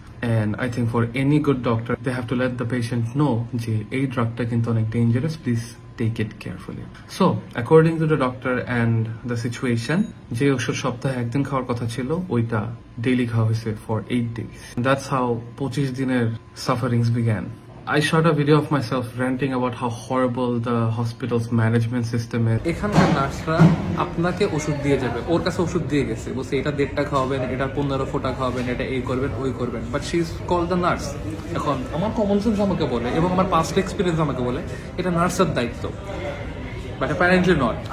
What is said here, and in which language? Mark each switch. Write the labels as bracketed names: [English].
[English] and I think for any good doctor they have to let the patient know [Bangla] যে এই ড্রাগটা কিন্তু অনেক dangerous, [English] Please take it carefully. So according to the doctor and the situation, [Bangla] যে ওষুধ সপ্তাহে একদিন খাওয়ার কথা ছিল ওইটা ডেইলি খাওয়া হয়েছে [English] For 8 days. That's how 25 দিনের sufferings began. I shot a video of myself ranting about how horrible the hospital's management system is. [Bangla] এখানকার নার্সরা আপনাকে ওষুধ দিয়ে যাবে, ওর কাছে ওষুধ দিয়ে গেছে, বলছে এটা 1.5টা খাওয়াবেন, এটা 1500টা খাওয়াবেন, এটা এই করবেন ওই করবেন, [English] But she is called the nurse. [Bangla] এখন আমার কমন সেন্স আমাকে বলে এবং আমার পাস্ট এক্সপিরিয়েন্স আমাকে বলে এটা নার্সের দায়িত্ব, [English] But apparently not.